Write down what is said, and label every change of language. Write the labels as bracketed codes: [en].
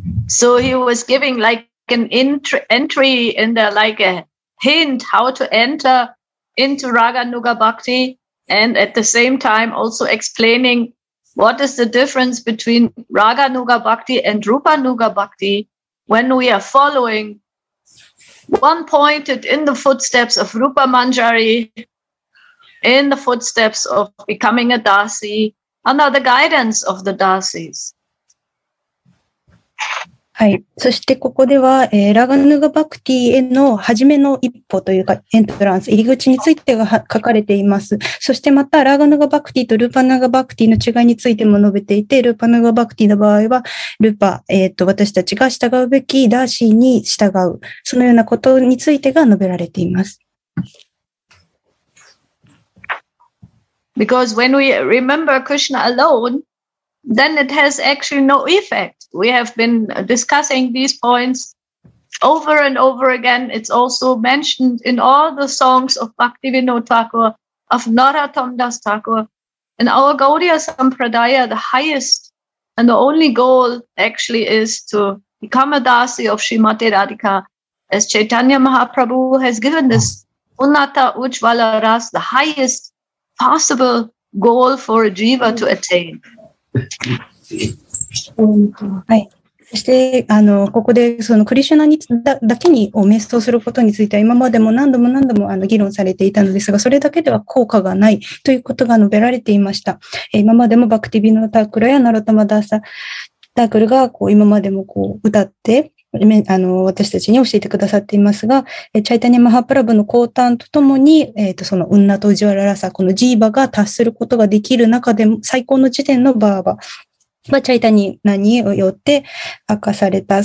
[en] So he was giving like an entry in the like a hint how to enter into Raga Nuga Bhakti and at the same time also explaining what is the difference between Raga Nuga Bhakti and Rupa Nuga Bhakti when we are following one pointed in the footsteps of Rupa Manjari, in the footsteps of becoming a Dasi, under the guidance of the Dasis. [ja] はい。そしてここでは、ラガヌガバクティへの初めの一歩というか、エントランス、入り口についてが書かれています。そしてまた、ラガヌガバクティとルパナガバクティの違いについても述べていて、ルパナガバクティの場合は、ルパ、私たちが従うべきダーシーに従う。そのようなことについてが述べられています。 [en] Because when we remember Krishna alone,then it has actually no effect. We have been discussing these points over and over again. It's also mentioned in all the songs of Bhaktivinoda Thakur, of Narottam Das Thakur. In our Gaudiya Sampradaya, the highest and the only goal actually is to become a Dasi of Srimati Radhika, as Chaitanya Mahaprabhu has given this Unnata Ujjvala Ras, the highest possible goal for a Jiva to attain. [ja] はい、そしてここでそのクリシュナに だけにお瞑想することについては今までも何度も何度も議論されていたのですが、それだけでは効果がないということが述べられていました。今までもバクティビノタークルやナロタマダーサタークルがこう今までもこう歌って私たちに教えてくださっていますが、チャイタニマハプラブの降誕とともに、そのウンナとウジワララサ、このジーバが達することができる中で最高の時点のバーバはチャイタニナによって明かされた。